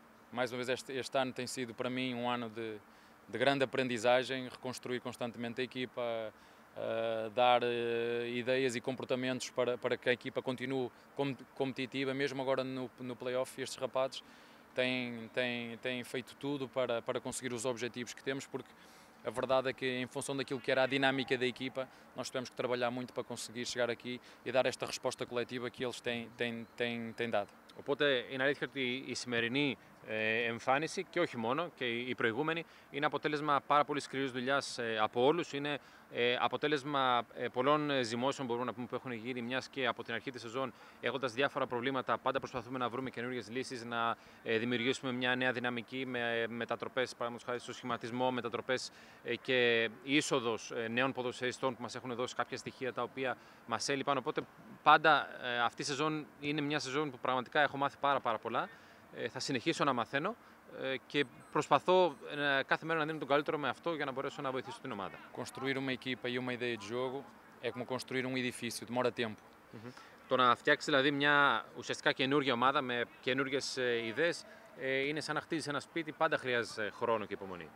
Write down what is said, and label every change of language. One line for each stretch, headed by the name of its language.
Portuguese: Mais uma vez este ano tem sido para mim um ano de grande aprendizagem, reconstruir constantemente a equipa, dar ideias e comportamentos para que a equipa continue competitiva, mesmo agora no play-off. Estes rapazes têm feito tudo para conseguir os objetivos que temos, porque a verdade é que, em função daquilo que era a dinâmica da equipa, nós tivemos que trabalhar muito para conseguir chegar aqui e dar esta resposta coletiva que eles têm dado.
Greek: Οπότε, είναι αλήθεια ότι η σημερινή εμφάνιση, και όχι μόνο, και η προηγούμενη, είναι αποτέλεσμα πάρα πολύ σκληρής δουλειάς από όλους. Είναι αποτέλεσμα πολλών ζυμώσεων, μπορούμε να πούμε, που έχουν γίνει, μιας και από την αρχή της σεζόν, έχοντας διάφορα προβλήματα, πάντα προσπαθούμε να βρούμε καινούργιες λύσεις, να δημιουργήσουμε μια νέα δυναμική με μετατροπές, παραδείγματος χάρη στο σχηματισμό, μετατροπές και είσοδος νέων ποδοσφαιριστών που μας έχουν δώσει κάποια στοιχεία τα οποία μας έλειπαν. Οπότε, πάντα αυτή η σεζόν είναι μια σεζόν που πραγματικά έχω μάθει πάρα πάρα πολλά. Θα συνεχίσω να μαθαίνω και προσπαθώ κάθε μέρα να δίνω τον καλύτερο με αυτό για να μπορέσω να βοηθήσω την ομάδα.
Portuguese: Construir uma equipa e uma ideia de jogo é como construir um edifício, demora tempo.
Greek: Το να φτιάξει δηλαδή μια ουσιαστικά καινούργια ομάδα με καινούργιες ιδέες είναι σαν να χτίζει ένα σπίτι, πάντα χρειάζεται χρόνο και υπομονή.